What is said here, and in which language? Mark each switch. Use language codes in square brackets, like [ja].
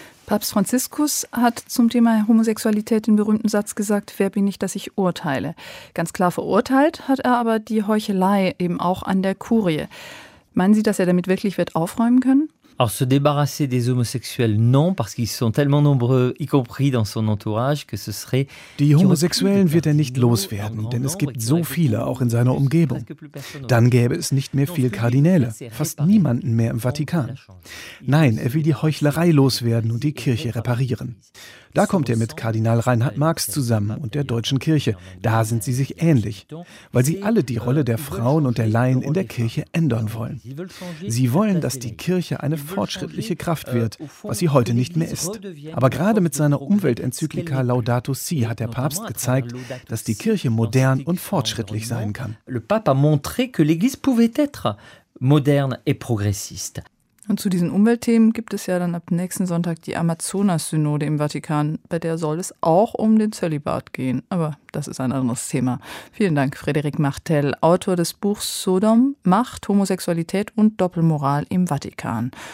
[de] Papst Franziskus hat zum Thema Homosexualität den berühmten Satz gesagt, wer bin ich, dass ich urteile. Ganz klar verurteilt hat er aber die Heuchelei eben auch an der Kurie. Meinen Sie, dass er damit wirklich wird aufräumen können? [fr] Alors, se débarrasser des homosexuels, non, parce qu'ils sont tellement nombreux, y compris dans son entourage, que ce serait... [de] Die Homosexuellen wird er nicht loswerden, denn es gibt so viele, auch in seiner Umgebung. Dann gäbe es nicht mehr viel Kardinäle, fast niemanden mehr im Vatikan. Nein, er will die Heuchlerei loswerden und die Kirche reparieren. Da kommt er mit Kardinal Reinhard Marx zusammen und der deutschen Kirche. Da sind sie sich ähnlich, weil sie alle die Rolle der Frauen und der Laien in der Kirche ändern wollen. Sie wollen, dass die Kirche eine fortschrittliche Kraft wird, was sie heute nicht mehr ist. Aber gerade mit seiner Umweltenzyklika Laudato Si hat der Papst gezeigt, dass die Kirche modern und fortschrittlich sein kann. [fr] Le Pape a montré que l'Église pouvait être moderne et progressiste. [de] Und zu diesen Umweltthemen gibt es ja dann ab nächsten Sonntag die Amazonas-Synode im Vatikan. Bei der soll es auch um den Zölibat gehen. Aber das ist ein anderes Thema. Vielen Dank, Frederik Martel, Autor des Buchs Sodom, Macht, Homosexualität und Doppelmoral im Vatikan.